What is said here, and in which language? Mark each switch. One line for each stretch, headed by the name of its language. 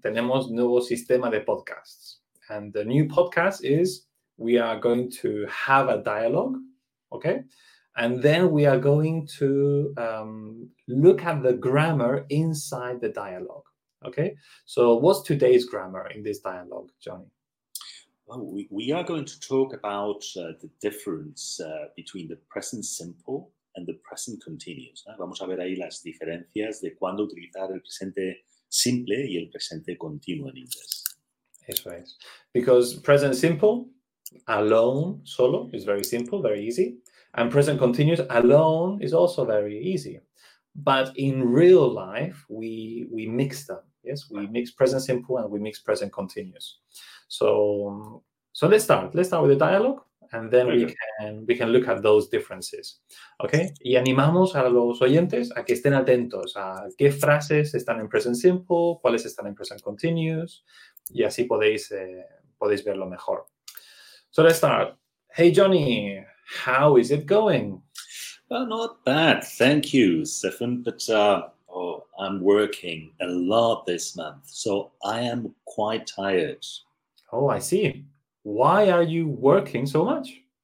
Spanish: Tenemos nuevo sistema de podcasts,
English: and the new podcast is we are going to have a dialogue, okay, and then we are going to look at the grammar inside the dialogue. Okay, so what's today's grammar in this dialogue, Johnny? Well, we are going to talk about the difference between the present simple and the present continuous.
Spanish: Vamos a ver ahí las diferencias de cuándo utilizar el presente simple y el presente continuo en inglés. Eso es.
English: Because present simple, alone, solo, is very simple, very easy. And present continuous, alone, is also very easy. But in real life, we mix them. Yes, we mix present simple and we mix present continuous. So let's start. Let's start with the dialogue, and then we can look at those differences, okay?
Spanish: Y animamos a los oyentes a que estén atentos a qué frases están en present simple, cuáles están en present continuous, y así podéis verlo mejor.
English: So let's start. Hey, Johnny, how is it going? Well, not bad, thank you, Stefan, but I'm working a lot this month, so I am quite tired. Oh, I see. Why are you working so much?